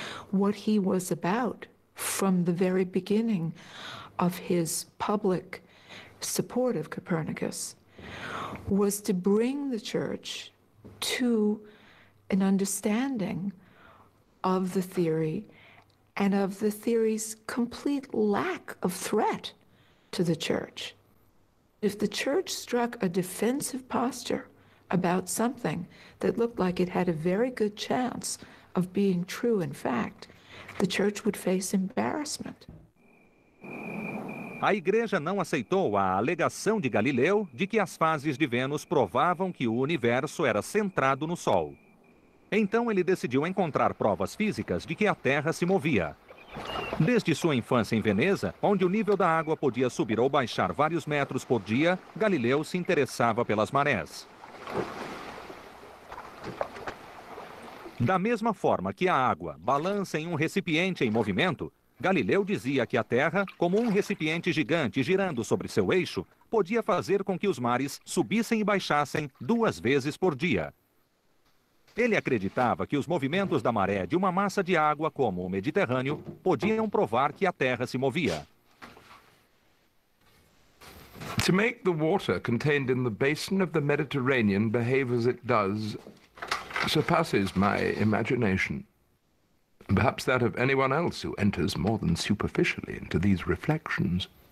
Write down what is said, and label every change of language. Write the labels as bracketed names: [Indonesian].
[English] What he was about from the very beginning of his public support of Copernicus was to bring the church to an understanding of the theory and of the theory's complete lack of threat to the church. If the church struck a defensive posture about something that looked like it had a very good chance of being true in fact, the church would face embarrassment. [Portuguese] A igreja não aceitou a alegação de Galileu de que as fases de Vênus provavam que o universo era centrado no Sol. Então ele decidiu encontrar provas físicas de que a Terra se movia. Desde sua infância em Veneza, onde o nível da água podia subir ou baixar vários metros por dia, Galileu se interessava pelas marés. Da mesma forma que a água balança em um recipiente em movimento, Galileu dizia que a Terra, como um recipiente gigante girando sobre seu eixo, podia fazer com que os mares subissem e baixassem duas vezes por dia. Ele acreditava que os movimentos da maré de uma massa de água como o Mediterrâneo podiam provar que a Terra se movia. [English] To make the water contained in the basin of the Mediterranean behave as it does surpasses my imagination. Perhaps that of anyone else who enters more than superficially into these reflections.